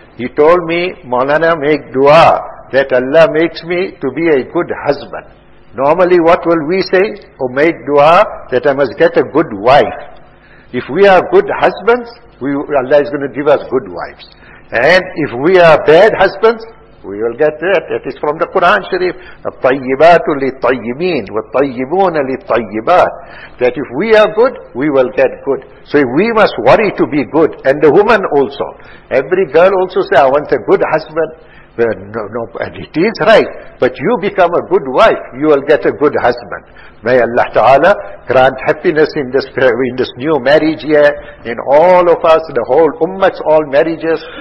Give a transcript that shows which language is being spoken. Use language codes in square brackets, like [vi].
[en] He told me, Maulana, make dua that Allah makes me to be a good husband. Normally what will we say? Oh, make dua that I must get a good wife. If we are good husbands, Allah is going to give us good wives. And if we are bad husbands, we will get that. That is from the Quran Sharif. [ar] الطيبات للطيبين والطيبون للطيبات. [en] That if we are good, we will get good. So we must worry to be good. And the woman also. Every girl also says, I want a good husband. No, and it is right. But you become a good wife, you will get a good husband. May Allah Ta'ala grant happiness in this new marriage year, in all of us, the whole ummah's all marriages.